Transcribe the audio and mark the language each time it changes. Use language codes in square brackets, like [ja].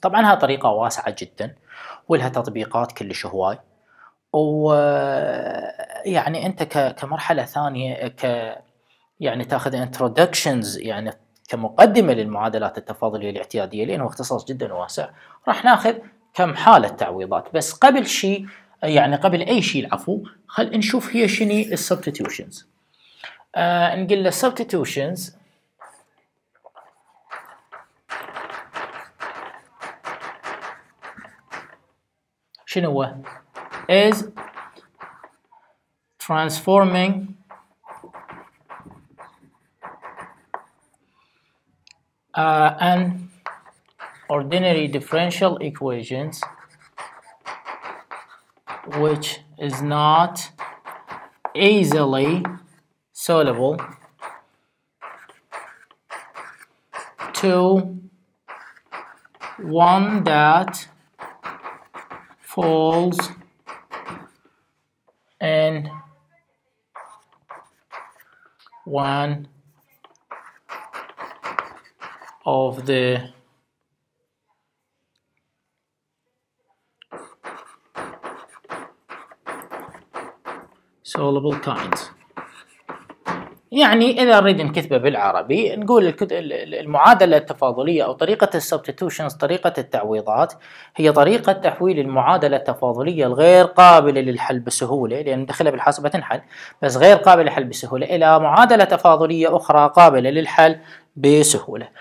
[ar] طبعا ها طريقة واسعة جدا ولها تطبيقات كلش هواي، ويعني أنت كمرحلة ثانية يعني تاخذ introductions، يعني كمقدمة للمعادلات التفاضلية الاعتيادية، لأنه اختصاص جدا واسع، راح ناخذ كم حالة تعويضات. بس قبل شيء، يعني قبل أي شيء العفو، خل نشوف هي شنو الـ substitutions. نقول له substitutions شنو هو؟ [en] is transforming an ordinary differential equations which is not easily solvable to one that falls in one of the solvable kinds. [ar] يعني إذا نريد نكتبه بالعربي نقول المعادلة التفاضلية أو طريقة substitutions، طريقة التعويضات، هي طريقة تحويل المعادلة التفاضلية الغير قابلة للحل بسهولة، لأن ندخلها بالحاسبة تنحل، بس غير قابلة للحل بسهولة، إلى معادلة تفاضلية أخرى قابلة للحل بسهولة.